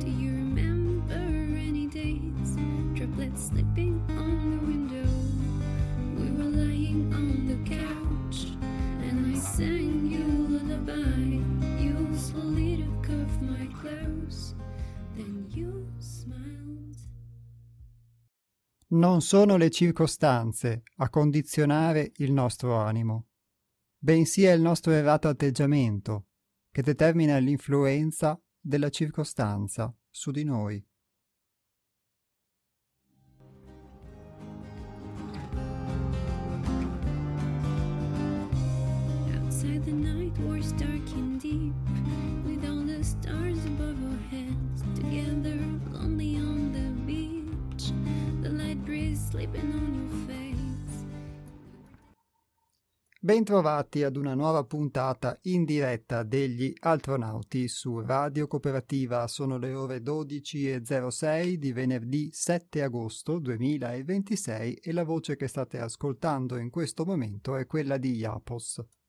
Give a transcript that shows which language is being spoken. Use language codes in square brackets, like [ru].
[en] Do you remember any days? Droplets slipping on the window. We were lying on the couch, and I sang you lullaby. You slowly took off my clothes, then you smiled. [it] Non sono le circostanze a condizionare il nostro animo, bensì è il nostro errato atteggiamento che determina l'influenza della circostanza su di noi. [en] Outside the night was dark and deep, with all the stars above our heads, together lonely on the beach, the light breeze sleeping on your face. [it] Bentrovati ad una nuova puntata in diretta degli Altronauti su Radio Cooperativa. Sono le ore 12.06 di venerdì 7 agosto 2026 e la voce che state ascoltando in questo momento è quella di Iapos.